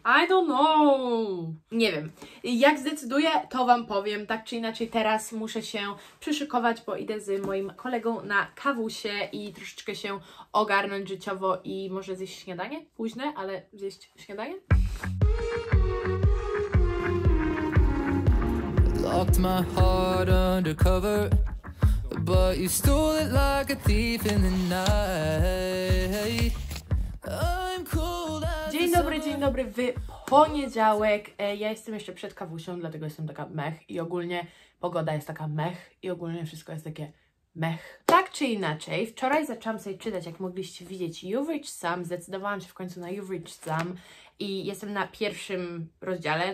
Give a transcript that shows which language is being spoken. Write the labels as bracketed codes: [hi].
[en] I don't know. [pl] Nie wiem. Jak zdecyduję, to Wam powiem. Tak czy inaczej teraz muszę się przyszykować, bo idę z moim kolegą na kawusie i troszeczkę się ogarnąć życiowo i może zjeść śniadanie? Późne, ale zjeść śniadanie? [en] Locked my heart undercover, but you stole it like a thief in the night. I'm cold as [pl] dzień dobry, w poniedziałek. Ja jestem jeszcze przed kawusią, dlatego jestem taka mech. I ogólnie pogoda jest taka mech. I ogólnie wszystko jest takie mech. Tak czy inaczej, wczoraj zaczęłam sobie czytać, jak mogliście widzieć, You've Reached Some. Zdecydowałam się w końcu na You've Reached Some. I jestem na pierwszym rozdziale.